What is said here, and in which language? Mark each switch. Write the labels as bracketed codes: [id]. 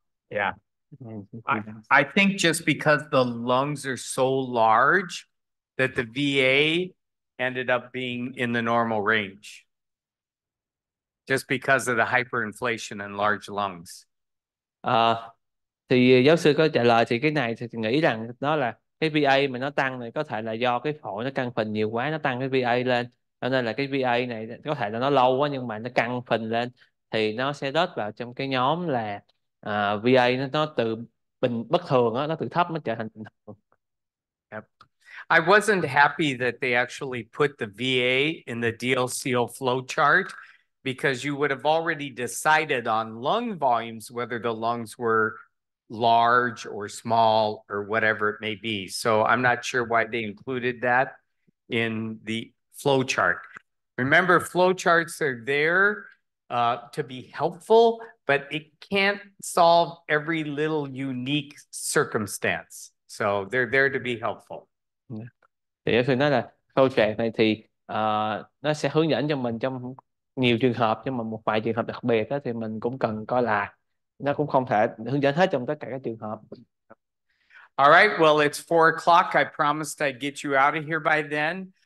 [en] Yeah. I think just because the lungs are so large that the VA ended up being in the normal range, just because of the hyperinflation and large lungs. [vi] Thì giáo sư có trả lời thì cái này thì nghĩ rằng đó là cái VA mà nó tăng này có thể là do cái phổi nó căng phình nhiều quá, nó tăng cái VA lên. Cho nên là cái VA này có thể là nó lâu quá nhưng mà nó căng phình lên thì nó sẽ rớt vào trong cái nhóm là VA nó từ bình bất thường á, nó từ thấp nó trở thành bình thường. [en] Yep. I wasn't happy that they actually put the VA in the DLCO flow chart because you would have already decided on lung volumes whether the lungs were large or small or whatever it may be. So I'm not sure why they included that in the flow chart. Remember, flow charts are there to be helpful, but it can't solve every little unique circumstance. So they're there to be helpful. Yeah. [vi] Thì nói là flow chart này thì nó sẽ hướng dẫn cho mình trong nhiều trường hợp, nhưng mà một vài trường hợp đặc biệt đó, thì mình cũng cần coi là nó cũng không thể hướng dẫn hết trong tất cả các trường hợp. [en] All right, well, it's 4 o'clock. I promised I'd get you out of here by then.